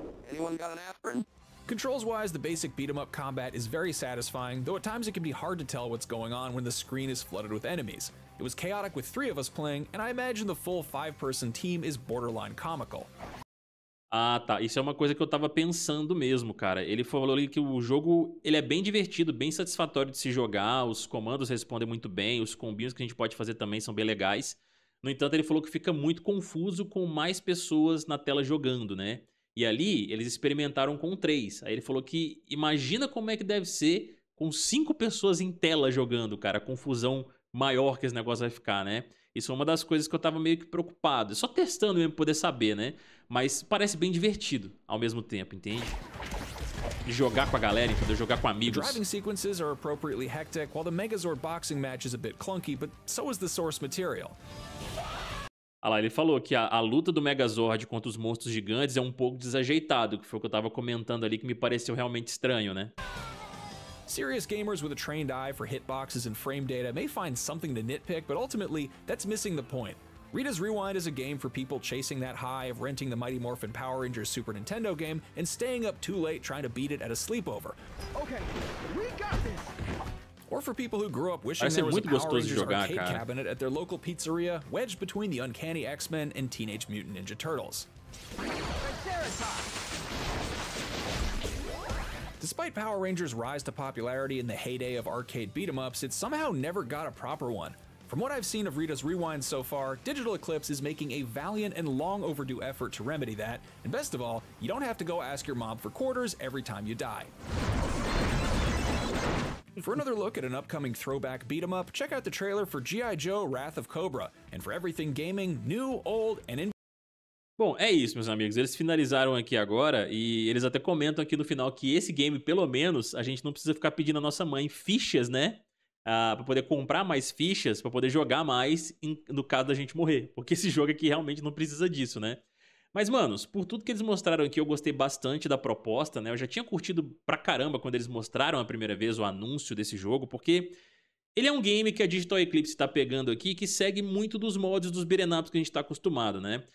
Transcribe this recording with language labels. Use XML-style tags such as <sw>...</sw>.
<en>Anyone got an aspirin? Controls-wise, the basic beat-em-up combat is very satisfying, though at times it can be hard to tell what's going on when the screen is flooded with enemies. It was chaotic with three of us playing, and I imagine the full five-person team is borderline comical.</en> <pt>Ah, tá. Isso é uma coisa que eu tava pensando mesmo, cara. Ele falou ali que o jogo, ele é bem divertido, bem satisfatório de se jogar, os comandos respondem muito bem, os combinhos que a gente pode fazer também são bem legais. No entanto, ele falou que fica muito confuso com mais pessoas na tela jogando, né? E ali, eles experimentaram com três. Aí ele falou que imagina como é que deve ser com cinco pessoas em tela jogando, cara. A confusão maior que esse negócio vai ficar, né? Isso é uma das coisas que eu tava meio que preocupado. Só testando mesmo pra poder saber, né? Mas parece bem divertido ao mesmo tempo, entende? Jogar com a galera, entendeu? Jogar com amigos.</pt> <en>As driving sequences are appropriately hectic, while the Megazord boxing match is a bit clunky, but so is the source material.</en> <pt>Ah lá, ele falou que a luta do Megazord contra os monstros gigantes é um pouco desajeitado, que foi o que eu tava comentando ali, que me pareceu realmente estranho, né?</pt> <en>Serious gamers with a trained eye for hitboxes and frame data may find something to nitpick, but ultimately, that's missing the point. Rita's Rewind is a game for people chasing that high of renting the Mighty Morphin Power Rangers Super Nintendo game and staying up too late trying to beat it at a sleepover. Okay, we got this! Or for people who grew up wishing there was a Power Rangers arcade cabinet at their local pizzeria, wedged between the Uncanny X-Men and Teenage Mutant Ninja Turtles. Despite Power Rangers' rise to popularity in the heyday of arcade beat-em-ups, it somehow never got a proper one. From what I've seen of Rita's Rewind so far, Digital Eclipse is making a valiant and long overdue effort to remedy that, and best of all, you don't have to go ask your mom for quarters every time you die. For another look at an upcoming throwback beat-em-up, check out the trailer for G.I. Joe Wrath of Cobra, and for everything gaming, new, old, and in-</en> <pt>Bom, é isso, meus amigos. Eles finalizaram aqui agora e eles até comentam aqui no final que esse game, pelo menos, a gente não precisa ficar pedindo a nossa mãe fichas, né? Pra poder comprar mais fichas, pra poder jogar mais no caso da gente morrer. Porque esse jogo aqui realmente não precisa disso, né? Mas, manos, por tudo que eles mostraram aqui, eu gostei bastante da proposta, né? Eu já tinha curtido pra caramba quando eles mostraram a primeira vez o anúncio desse jogo, porque ele é um game que a Digital Eclipse está pegando aqui que segue muito dos modos dos beat'em ups que a gente está acostumado, né?</pt>